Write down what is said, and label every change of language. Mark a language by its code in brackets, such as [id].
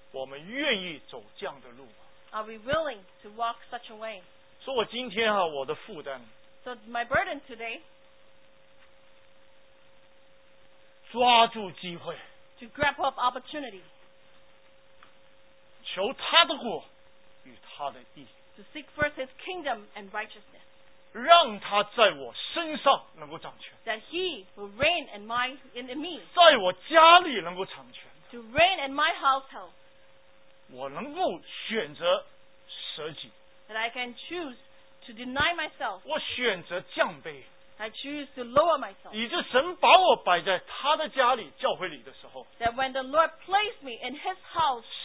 [zh] 我们愿意走这样的路吗？ [en] Are we willing to walk such a way? [zh] 说我今天啊，我的负担。 [en] So my burden today. [zh] 抓住机会。 [en] To grab up opportunity. [zh] 求他的国与他的义。 [en] To seek first his kingdom and righteousness. [zh] 让他在我身上能够掌权。 [en] That he will reign in my in me. [zh] 在我家里能够掌权。 [en] To reign in my household. [zh] 我能够选择舍己。 [en] That I can choose to deny myself. [zh] 我选择降卑。 [en] I choose to lower myself. [zh] 以致神把我摆在他的家里教会里的时候。 [en] That when the Lord placed me in his house.